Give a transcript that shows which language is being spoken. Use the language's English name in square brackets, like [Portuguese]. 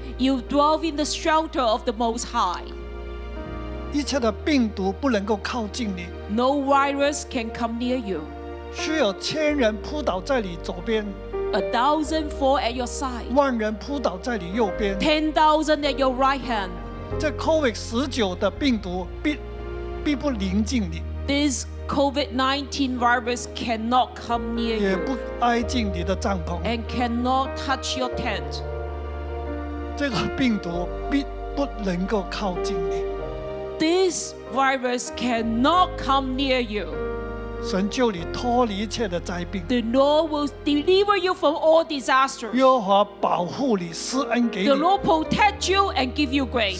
[English] You dwell in the shelter of the Most High. [Chinese] 一切的病毒不能够靠近你 [English] No virus can come near you [Chinese] 需有千人扑倒在你左边 [English] A thousand fall at your side [Chinese] 万人扑倒在你右边 [English] 10,000 at your right hand [Chinese] 这 COVID-19 的病毒 必不临近你 [English] This COVID-19 virus cannot come near you [Chinese] 也不挨近你的帐篷 [English] And cannot touch your tent [Chinese] 这个病毒必不能够靠近你 [English] This virus cannot come near you. [Chinese] 神救你脱离一切的灾病。 [English] The Lord will deliver you from all disasters. [Chinese] 耶和华保护你，施恩给你。 [English] The Lord protect you and give you grace.